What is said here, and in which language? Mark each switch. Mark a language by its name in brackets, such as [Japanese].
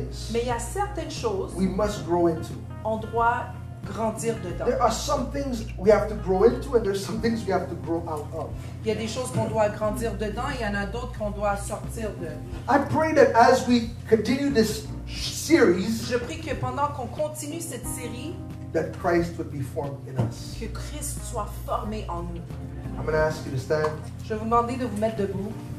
[English] But there are some things we must grow into. [French] On doit grandir dedans. [English] There are some things we have to grow into, and there's some things we have to grow out of. [French] Il y a des choses qu'on doit grandir dedans, il y en a d'autres qu'on doit sortir de. [English] I pray that as we continue this series, [French] je prie que pendant qu'on continue cette série, [English] that Christ would be formed in us. [French] Que Christ soit formé en nous. [English] I'm going to ask you to stand. [French] Je vais vous demander de vous mettre debout.